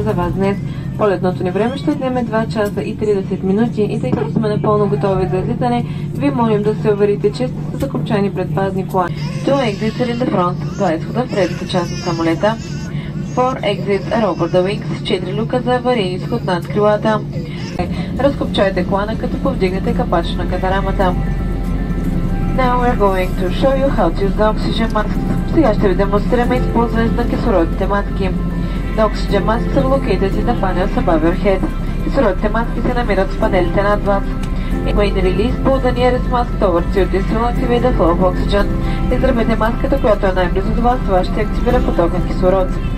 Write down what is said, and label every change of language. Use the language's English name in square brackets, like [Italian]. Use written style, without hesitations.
[Bulgarian] Днес полетното ни време ще отнеме 2 часа и 30 минути и тъй като сме напълно готови за излизане, ви молим да се уверите, че сте закопчани предпазни колани. [English] To exit in the front, [Bulgarian] до изхода в предната част от самолета. [English] For exit over the wings, [Bulgarian] 4 люка за аварийни изход над крилата. Разкопчайте колана като повдигнете капача на катарамата. [English] Now we are going to show you how to use the oxygen masks. [Bulgarian] Сега ще ви демонстрираме използването на кислородните маски. [English] The oxygen masks are located in the panels above your head. [Bulgarian] Кислородните маски се намират в панелите над вас. [English] When released, pull the nearest mask towards you. This will activate the flow of oxygen. [Bulgarian] Изръбете маската, която е най-близо до вас, това ще активира поток на кислород.